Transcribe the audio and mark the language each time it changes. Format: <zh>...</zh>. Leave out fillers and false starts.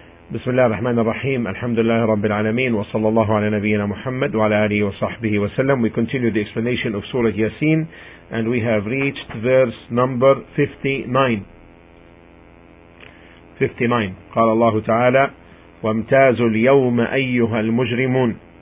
<ar>بسم الله الرحمن الرحيم الحمد لله رب العالمين وصلى الله على نبينا محمد وعلى آله وصحبه وسلم.</ar> <en>We continue the explanation of Surah Yasin and we have reached verse number 59.</en> <ar>قال الله تعالى وامتاز اليوم أيها المجرمون.</ar>